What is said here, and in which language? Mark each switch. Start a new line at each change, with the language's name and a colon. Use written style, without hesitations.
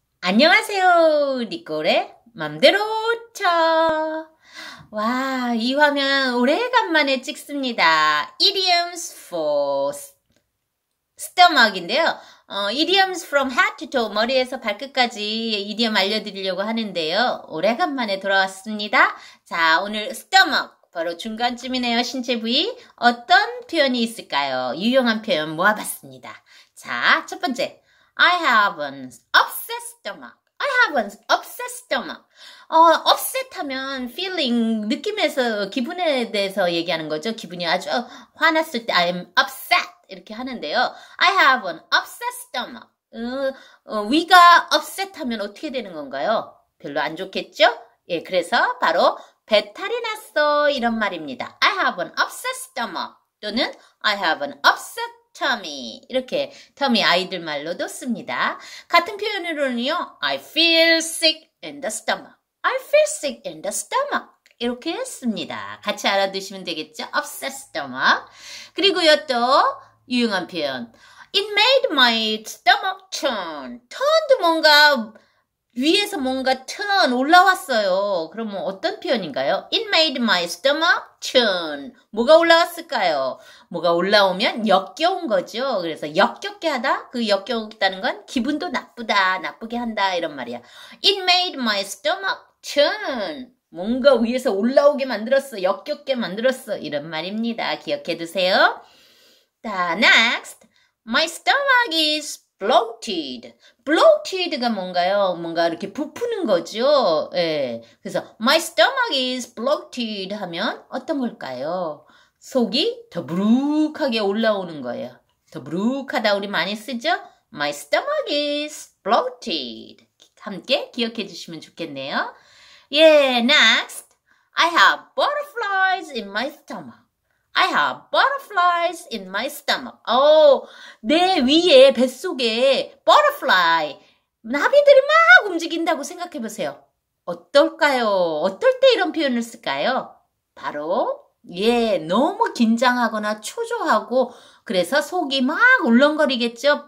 Korean: 안녕하세요, 니콜의 맘대로 쳐. 와, 이 화면 오래간만에 찍습니다.
English: Idioms for stomach인데요. Idioms from head to toe,
Korean: 머리에서 발끝까지 idiom 알려드리려고 하는데요. 오래간만에 돌아왔습니다. 자, 오늘 stomach, 바로 중간쯤이네요, 신체 부위. 어떤 표현이 있을까요? 유용한 표현 모아봤습니다. 자, 첫 번째.
English: I have an upset stomach. I have an upset stomach.
Korean: upset 하면 feeling, 느낌에서, 기분에 대해서 얘기하는 거죠. 기분이 아주 화났을 때
English: I'm upset
Korean: 이렇게 하는데요.
English: I have an upset stomach.
Korean: 위가 upset 하면 어떻게 되는 건가요? 별로 안 좋겠죠? 예, 그래서 바로 배탈이 났어 이런 말입니다.
English: I have an upset stomach 또는 I have an upset tummy.
Korean: 이렇게 tummy 아이들 말로도 씁니다. 같은 표현으로는요,
English: I feel sick in the stomach. I feel sick in the stomach.
Korean: 이렇게 씁니다. 같이 알아두시면 되겠죠?
English: Upset stomach.
Korean: 그리고요, 또 유용한 표현.
English: It made my stomach turn.
Korean: turned 뭔가 위에서 뭔가 turn 올라왔어요. 그러면 어떤 표현인가요?
English: It made my stomach turn.
Korean: 뭐가 올라왔을까요? 뭐가 올라오면 역겨운 거죠. 그래서 역겹게 하다. 그 역겹다는 건 기분도 나쁘다. 나쁘게 한다. 이런 말이야.
English: It made my stomach turn.
Korean: 뭔가 위에서 올라오게 만들었어. 역겹게 만들었어. 이런 말입니다. 기억해 두세요. 자,
English: next. My stomach is bloated.
Korean: bloated가 뭔가요? 뭔가 이렇게 부푸는 거죠? 예. 그래서,
English: my stomach is bloated
Korean: 하면 어떤 걸까요? 속이 더부룩하게 올라오는 거예요. 더부룩하다 우리 많이 쓰죠?
English: My stomach is bloated.
Korean: 함께 기억해 주시면 좋겠네요. 예, next.
English: I have butterflies in my stomach. I have butterflies in my stomach.
Korean: 오, 내 위에, 뱃속에 butterfly, 나비들이 막 움직인다고 생각해 보세요. 어떨까요? 어떨 때 이런 표현을 쓸까요? 바로, 예, 너무 긴장하거나 초조하고, 그래서 속이 막 울렁거리겠죠?